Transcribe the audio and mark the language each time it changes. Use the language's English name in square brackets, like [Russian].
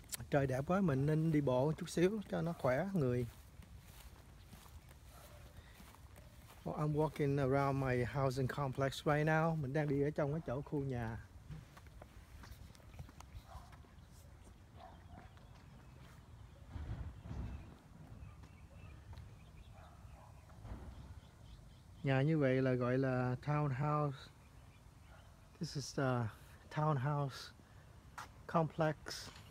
[Vietnamese] Trời đẹp quá, mình nên đi bộ chút xíu cho nó khỏe người. [English] Well, I'm walking around my housing complex right now. [Vietnamese] Mình đang đi ở trong cái chỗ khu nhà. Nhà như vậy là gọi là townhouse. [English] This is the townhouse complex.